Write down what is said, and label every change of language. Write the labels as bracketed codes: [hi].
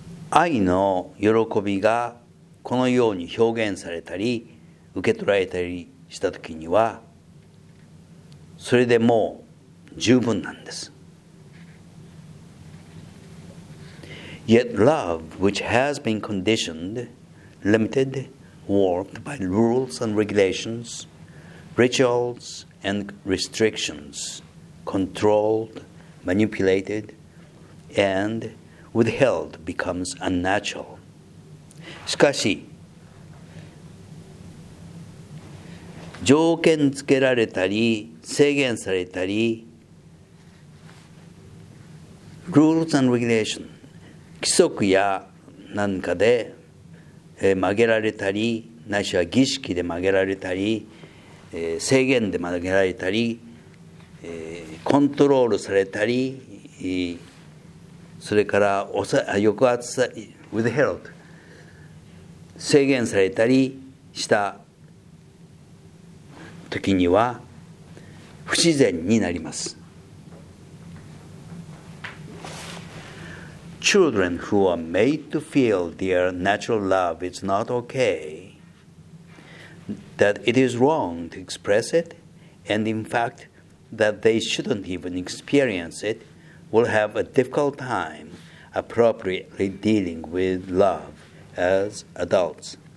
[ja] I の喜びがこのように表現されたり受け取られたりしたときにはそれでもう十分なんです。 [en] Yet love which has been conditioned, limited, warped by rules and regulations, rituals and restrictions, controlled, manipulated, and withheld becomes unnatural. [ja] しかし、条件つけられたり、制限されたり、 [en] rules and regulations、 [ja] 規則や何かで、曲げられたり、ないしは儀式で曲げられたり、制限で曲げられたり、コントロールされたり、それから抑圧さ、withheld、制限されたりした時には不自然になります。 [en] Children who are made to feel their natural love is not okay, that it is wrong to express it, and in fact that they shouldn't even experience it, will have a difficult time appropriately dealing with love as adults.